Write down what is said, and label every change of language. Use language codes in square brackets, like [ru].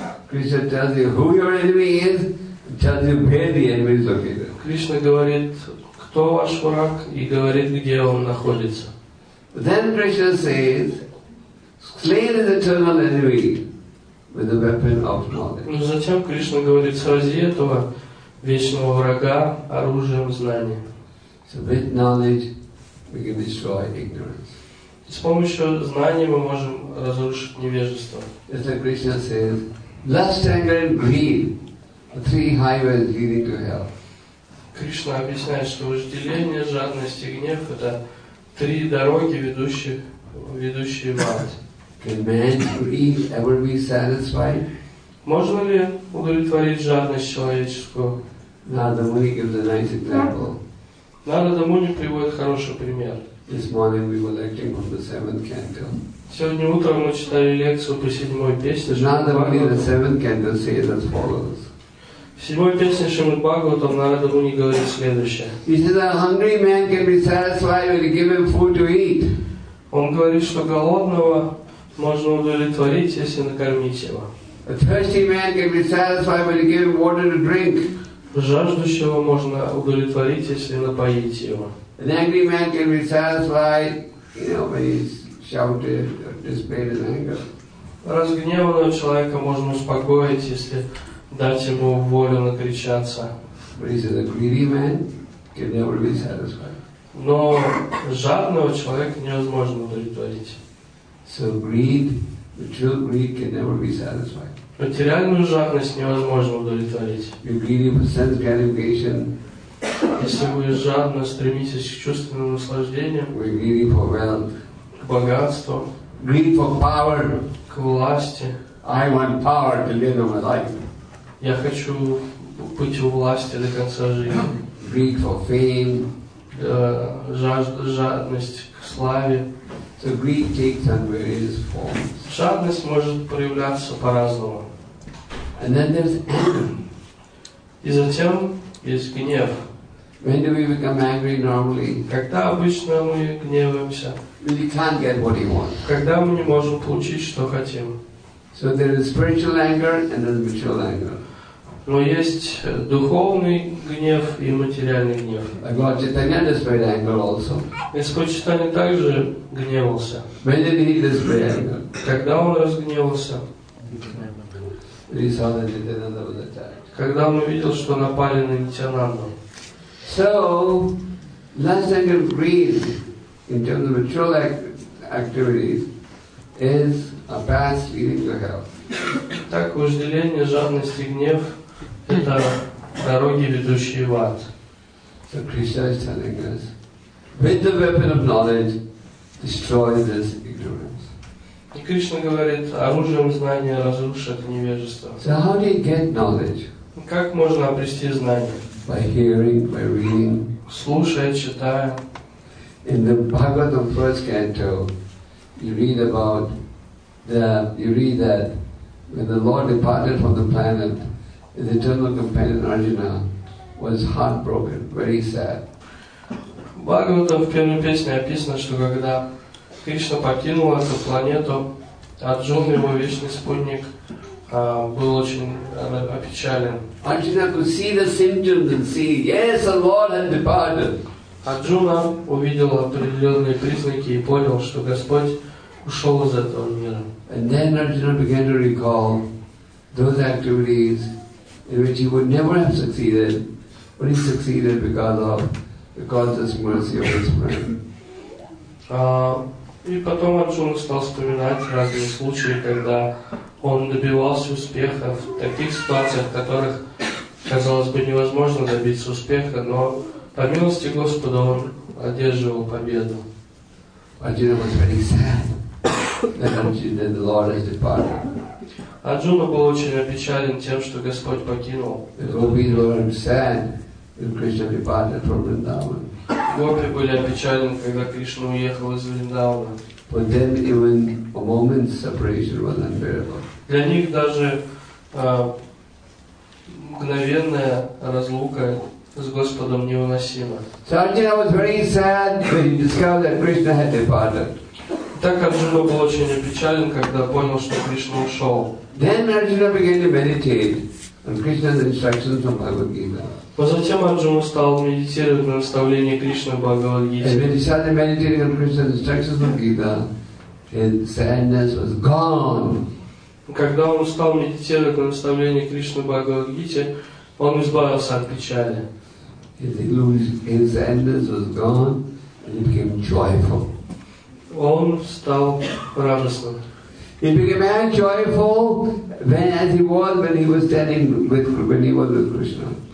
[en] Krishna tells you who your enemy is, tells you where the enemy is located. [ru] Кришна говорит, кто ваш враг, и говорит, где он находится. [en] Then Krishna says, slay the eternal enemy with the weapon of knowledge. [ru] Но затем Кришна говорит, срази этого вечного врага оружием знания. [en] So with knowledge, we can destroy ignorance. [ru] С помощью знаний мы можем разрушить невежество. [en] It's like Krishna says, lust, anger and greed, the three highways leading to hell. [ru] Кришна объясняет, что вожделение, жадность и гнев – это три дороги, ведущие в ад. [en] Can man greed ever be satisfied? [ru] Можно ли удовлетворить жадность человеческую? [en] Narada Muni gives a nice example. [ru] Narada Muni приводит хороший пример. [en] This morning we were lecturing on the seventh canto. [ru] Сегодня утром мы читали лекцию по седьмой песне. [en] Narada Muni, the seventh canto, says as follows. [ru] В седьмой песне Шримад Бхагаватам Narada Muni говорит следующее. [en] He says a hungry man can be satisfied when you give him food to eat. [ru] Он говорит, что голодного можно удовлетворить, если накормить его. [en] A thirsty man can be satisfied when you give him water to drink. [ru] Жаждущего можно удовлетворить, если напоить его. [en] An angry man can be satisfied, you know, when he's shouted or displayed his anger. [ru] Разгневанного человека можно успокоить, если дать ему волю накричаться. [en] But he says a greedy man can never be satisfied. [ru] Но жадного человека невозможно удовлетворить. [en] So greed, the true greed can never be satisfied. [ru] Материальную жадность невозможно удовлетворить. [en] You're greedy for sense gratification. [ru] Если вы жадно стремитесь к чувственным наслаждениям, [en] we're greedy for wealth, [ru] к богатству, [en] greedy for power, [ru] к власти, [en] I want power to live my life, [ru] я хочу быть у власти до конца жизни, [en] greed for fame, [ru] жадность к славе, [en] so greed takes on various forms. [ru] Жадность может проявляться по-разному. [en] And then there's anger. [ru] И затем есть гнев. [en] When do we become angry normally? [ru] Когда обычно мы гневаемся? [en] When you can't get what you want. [ru] Когда мы не можем получить, что хотим. [en] So there is spiritual anger and there is material anger. [ru] Но есть духовный гнев и материальный гнев. [en] Lord Chaitanya displayed anger also. [ru] Господь Чайтанья также гневался. [en] When did he display anger? [ru] Когда он разгневался? [en] He saw that Nityananda was attacked. [ru] Когда он увидел, что напали на Нитянанду. [en] So, lust, anger, greed, in terms of material activities, is a path leading to hell. [ru] Так, вожделение, жадность и гнев – это дороги, ведущие в ад. [en] So, Krishna is telling us, with the weapon of knowledge, destroy this ignorance. [ru] И Кришна говорит, оружием знания разрушит невежество. [en] So, how do you get knowledge? [ru] Как можно обрести знание? [en] by hearing, by reading. [ru] Слушая, читая. [en] In the Bhagavatam first canto, you read that when the Lord departed from the planet, his eternal companion Arjuna was heartbroken, very sad. [ru] Бхагаватам в первой песне описано, что когда Кришна покинул эту планету, Арджуна, его вечный спутник, был очень опечален. [en] Arjuna could see the symptoms and see, yes, the Lord had departed. [ru] Арджуна увидел определенные признаки и понял, что Господь ушел из этого мира. [en] And then Arjuna began to recall those activities in which he would never have succeeded, but he succeeded because of mercy of his friend. [ru] И потом Арджуна стал вспоминать разные случаи, когда он добивался успеха в таких ситуациях, в которых, казалось бы, невозможно добиться успеха, но по милости Господа он одерживал победу. [en] Arjuna was very sad that the Lord has departed. [ru] Арджуна был очень опечален тем, что Господь покинул. [en] The gopis were sad when Krishna departed from Vrindavan. [ru] Гопи были опечалены, когда Кришна уехал из Вриндавана. [en] For them even a moment's separation was unbearable. [ru] Для них даже мгновенная разлука с Господом невыносима. [en] So Arjuna was very sad when he discovered that Krishna had departed. [ru] Так Арджуна был очень опечален, когда понял, что Кришна ушел. [en] Then Arjuna began to meditate on Krishna's instructions from Bhagavad Gita. [ru] А затем Арджуна стал медитировать на наставление Кришны Бхагавад-гите. Когда он стал медитировать на наставление Кришны Бхагавад-гите, он избавился от печали. [en] His sadness was gone and he became joyful. [ru] Он стал радостным. [en] He became joyful when he was with Krishna.